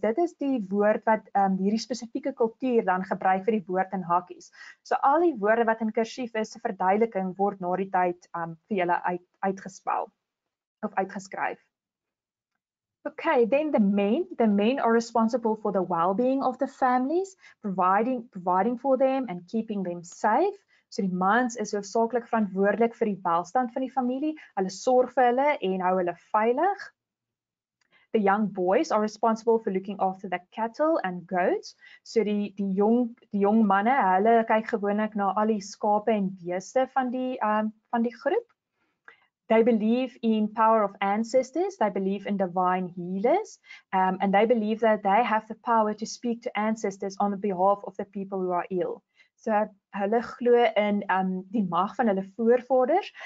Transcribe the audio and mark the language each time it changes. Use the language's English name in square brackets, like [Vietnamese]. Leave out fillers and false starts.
[Afrikaans] Dit is die woord wat hierdie spesifieke kultuur dan gebruik vir die woord in hakies. So al die woorde wat in kursief is, se verduideliking word na die tyd vir julle uitgespel of uitgeskryf. [English] Okay, then the men are responsible for the well-being of the families, providing for them and keeping them safe. [Afrikaans] So die mans is hoofsaaklik verantwoordelik vir die welstand van die familie, hulle sorg vir hulle en hou hulle veilig. [English] The young boys are responsible for looking after the cattle and goats. [Afrikaans] So die jong manne, hulle kyk gewoonlik na al die skape en beeste van die groep. [English] They believe in power of ancestors, they believe in divine healers, and they believe that they have the power to speak to ancestors on the behalf of the people who are ill. [Afrikaans] So hulle glo in die mag van hulle voorvaders.